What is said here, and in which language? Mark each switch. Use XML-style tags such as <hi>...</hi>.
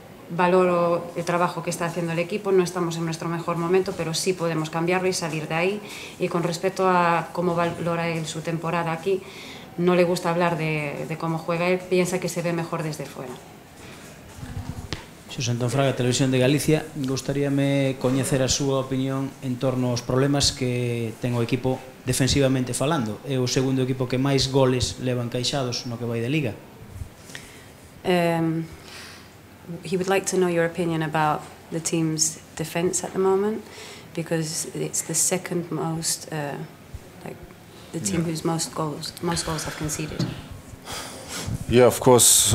<es>Valoro el trabajo que está haciendo el equipo, no estamos en nuestro mejor momento, pero sí podemos cambiarlo y salir de ahí. Y con respecto a cómo valora él su temporada aquí, no le gusta hablar de cómo juega él, piensa que se ve mejor desde fuera.</es> <gl>Xosé Antón Fraga, Televisión de Galicia. Gustaríame coñecer a súa opinión en torno aos problemas que ten o equipo defensivamente falando. É o segundo equipo que máis goles levan caixados no que vai de liga.</gl> <en>He would like to know your opinion about the team's defence at the moment, because it's the second most, like the team who's most goals have conceded. Yeah, of course.</en>